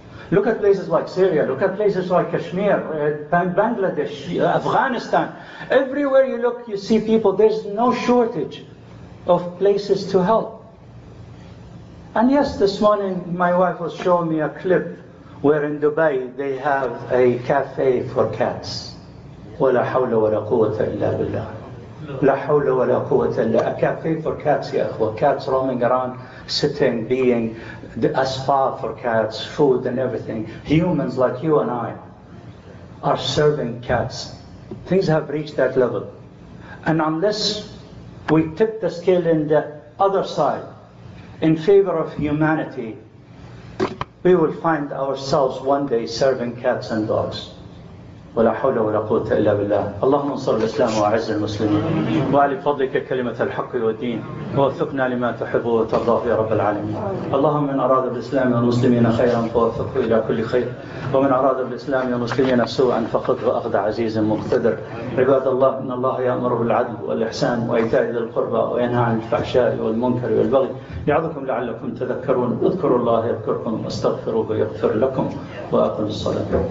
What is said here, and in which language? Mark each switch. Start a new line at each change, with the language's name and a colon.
English: Look at places like Syria, look at places like Kashmir, Bangladesh, Afghanistan. Everywhere you look, you see people, there's no shortage of places to help. And yes, this morning my wife was showing me a clip where in Dubai they have a cafe for cats.
Arabic: وَلَا حَوْلَ وَلَا قُوَّةَ إِلَّا بِاللَّهِ لَا حَوْلَ وَلَا قُوَّةَ إِلَّا
English: A cafe for cats,
Arabic: ya akhwa.
English: Cats roaming around, sitting, being, a spa for cats, food and everything. Humans like you and I are serving cats. Things have reached that level. And unless we tip the scale in the other side, in favor of humanity, we will find ourselves one day serving cats and dogs.
Arabic: ولا حول ولا قوة إلا بالله اللهم انصر الإسلام وأعز المسلمين وعلى فضلك كلمة الحق والدين ووفقنا لما تحب وترضاه يا رب العالمين اللهم من أراد بالإسلام والمسلمين خيرا فوفقه إلى كل خير ومن أراد بالإسلام والمسلمين سوءا فقده أخد عزيز مقتدر عباد الله إن الله يأمر بالعدل والإحسان وإيتاء ذي القربى وينهى عن الفحشاء والمنكر والبغي يعظكم لعلكم تذكرون اذكروا الله يذكركم واستغفروه يغفر لكم وأقم الصلاة